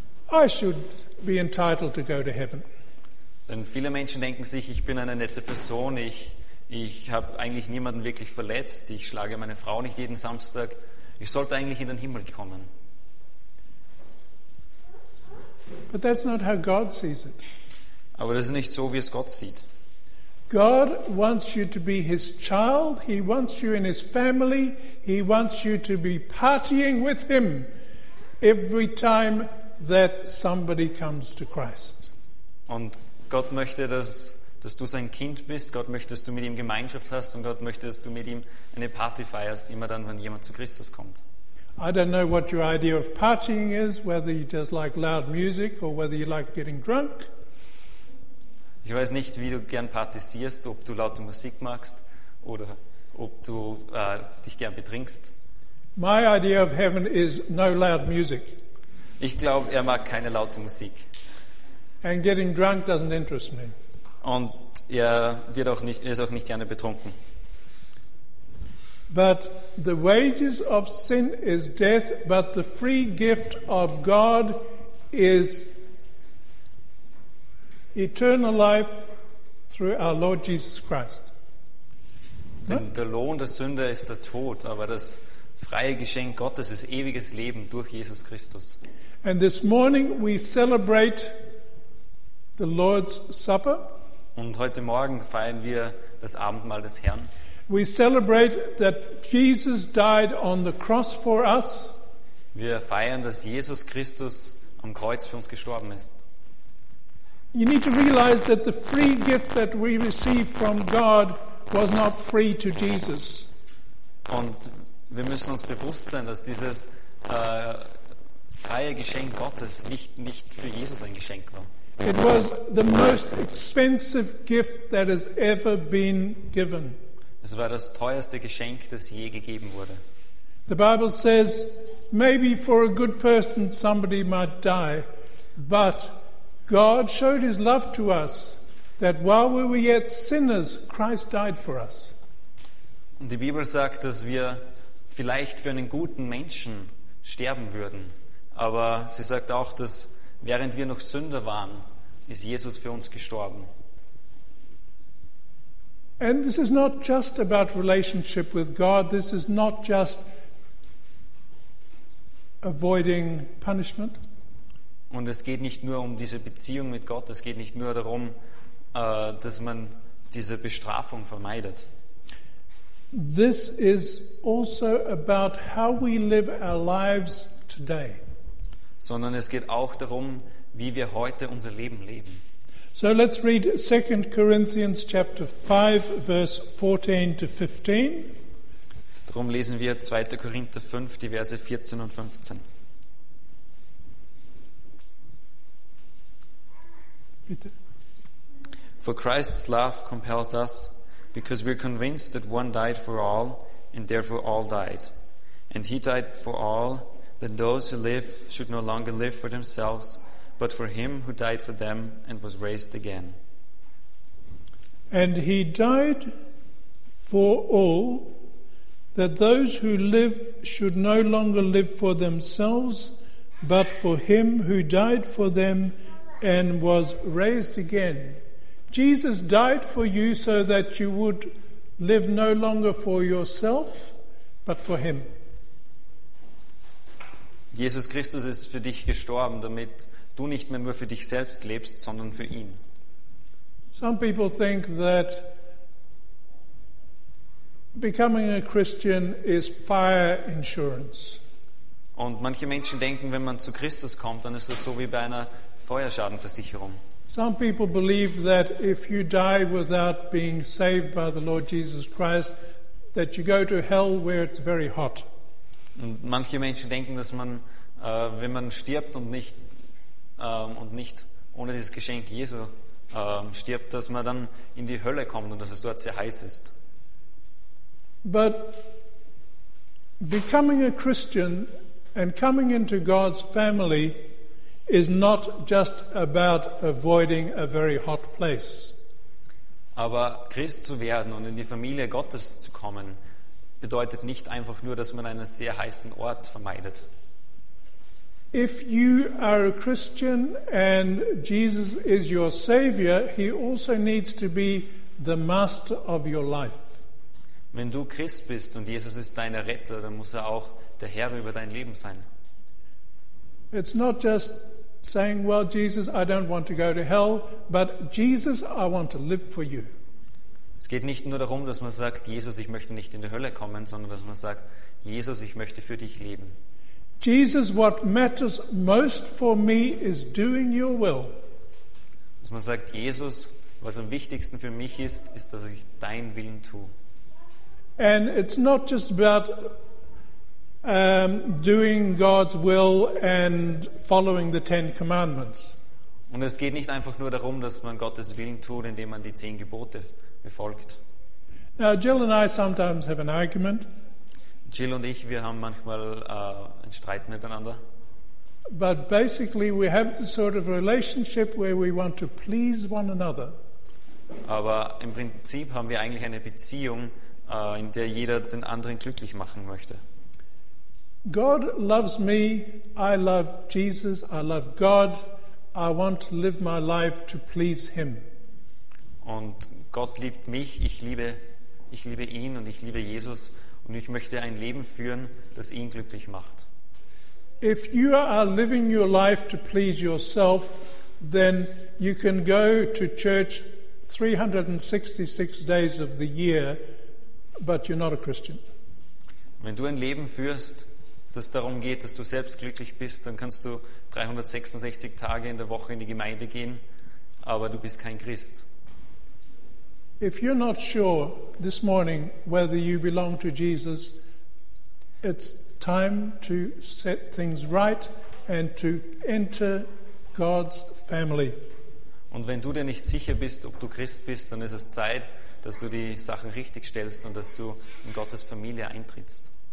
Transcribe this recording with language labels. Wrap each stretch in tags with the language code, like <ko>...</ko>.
<en>I should be entitled to go to heaven.</en> <de>Denn viele Menschen denken sich, ich bin eine nette Person. Ich habe eigentlich niemanden wirklich verletzt. Ich schlage meine Frau nicht jeden Samstag. Ich sollte eigentlich in den Himmel kommen.</de> <en>But that's not how God sees it.</en> <de>Aber das ist nicht so, wie es Gott sieht.</de> <en>God wants you to be his child. He wants you in his family. He wants you to be partying with him every time that somebody comes to Christ.</en> <de>Und Gott möchte, dass du sein Kind bist. Gott möchte, dass du mit ihm Gemeinschaft hast. Und Gott möchte, dass du mit ihm eine Party feierst, immer dann, wenn jemand zu Christus kommt.</de> <en>I don't know what your idea of partying is, whether you just like loud music or whether you like getting drunk.</en> <de>Ich weiß nicht, wie du gern partisierst, ob du laute Musik magst oder ob du dich gern betrinkst.</de> <en>My idea of heaven is no loud music.</en> <de>Ich glaube, er mag keine laute Musik.</de> <en>And getting drunk doesn't interest me.</en> <de>Und ist auch nicht gerne betrunken.</de> <en>But the wages of sin is death, but the free gift of God is eternal life through our Lord Jesus Christ.</en> <de>Denn der Lohn der Sünde ist der Tod, aber das freie Geschenk Gottes ist ewiges Leben durch Jesus Christus.</de> <en>And this morning we celebrate the Lord's Supper.</en> <de>Und heute Morgen feiern wir das Abendmahl des Herrn.</de> <en>We celebrate that Jesus died on the cross for us.</en> <de>Wir feiern, dass Jesus Christus am Kreuz für uns gestorben ist.</de> <en>You need to realize that the free gift that we received from God was not free to Jesus.</en> <de>Und wir müssen uns bewusst sein, dass dieses freie Geschenk Gottes nicht für Jesus ein Geschenk war.</de> <en>It was the most expensive gift that has ever been given.</en> <de>Es war das teuerste Geschenk, das je gegeben wurde.</de> <en>The Bible says, maybe for a good person somebody might die, but God showed his love to us that while we were yet sinners, Christ died for us.</en> <de>Und die Bibel sagt, dass wir vielleicht für einen guten Menschen sterben würden, aber sie sagt auch, dass während wir noch Sünder waren, ist Jesus für uns gestorben.</de> <en>And this is not just about relationship with God. This is not just avoiding punishment.</en> <de>Und es geht nicht nur um diese Beziehung mit Gott. Es geht nicht nur darum, dass man diese Bestrafung vermeidet.</de> <en>This is also about how we live our lives today.</en> <de>Sondern es geht auch darum, wie wir heute unser Leben leben.</de> <en>So let's read 2 Corinthians chapter 5, verse 14 to 15.</en> <de>Darum lesen wir 2. Korinther 5, die Verse 14 und 15. Bitte.</de> <en>For Christ's love compels us, because we're convinced that one died for all, and therefore all died. And he died for all, that those who live should no longer live for themselves, but for him who died for them and was raised again. And he died for all, that those who live should no longer live for themselves, but for him who died for them and was raised again. Jesus died for you so that you would live no longer for yourself, but for him.</en> <de>Jesus Christus ist für dich gestorben, damit du nicht mehr nur für dich selbst lebst, sondern für ihn.</de> <en>Some people think that becoming a Christian is fire insurance.</en> <de>Und manche Menschen denken, wenn man zu Christus kommt, dann ist es so wie bei einer Feuerschadenversicherung.</de> <en>Some people believe that if you die without being saved by the Lord Jesus Christ, that you go to hell where it's very hot.</en> <de>Und manche Menschen denken, dass man, wenn man stirbt und nicht ohne dieses Geschenk Jesu stirbt, dass man dann in die Hölle kommt und dass es dort sehr heiß ist.</de> <en>But becoming a Christian and coming into God's family is not just about avoiding a very hot place.</en> <de>Aber Christ zu werden und in die Familie Gottes zu kommen bedeutet nicht einfach nur, dass man einen sehr heißen Ort vermeidet.</de> <en>If you are a Christian and Jesus is your savior, he also needs to be the master of your life.</en> <de>Wenn du Christ bist und Jesus ist dein Retter, dann muss er auch der Herr über dein Leben sein.</de> <en>It's not just saying, well, Jesus, I don't want to go to hell, but Jesus, I want to live for you.</en> <de>Es geht nicht nur darum, dass man sagt, Jesus, ich möchte nicht in die Hölle kommen, sondern dass man sagt, Jesus, ich möchte für dich leben.</de> <en>Jesus, what matters most for me is doing your will.</en> <de>Dass man sagt, Jesus, was am wichtigsten für mich ist, ist, dass ich dein Willen tue.</de> <en>And it's not just about doing God's will and following the Ten Commandments.</en> <de>Und es geht nicht einfach nur darum, dass man Gottes Willen tut, indem man die Zehn Gebote befolgt.</de> <en>Now, Jill and I sometimes have an argument.</en> <de>Jill und ich, wir haben manchmal einen Streit miteinander.</de> <en>But basically, we have the sort of relationship where we want to please one another.</en> <de>Aber im Prinzip haben wir eigentlich eine Beziehung, in der jeder den anderen glücklich machen möchte.</de> <en>God loves me, I love Jesus, I love God, I want to live my life to please him.</en> <de>Und Gott liebt mich, ich liebe ihn und ich liebe Jesus und ich möchte ein Leben führen, das ihn glücklich macht.</de> <en>If you are living your life to please yourself, then you can go to church 366 days of the year, but you're not a Christian.</en> <de>Wenn du ein Leben führst, das darum geht, dass du selbst glücklich bist, dann kannst du 366 Tage in der Woche in die Gemeinde gehen, aber du bist kein Christ.</de> <en>If you're not sure this morning whether you belong to Jesus, it's time to set things right and to enter God's family.</en> <de>Und wenn du dir nicht sicher bist, ob du Christ bist, dann ist es Zeit, dass du die Sachen richtig stellst und dass du in Gottes Familie eintrittst.</de>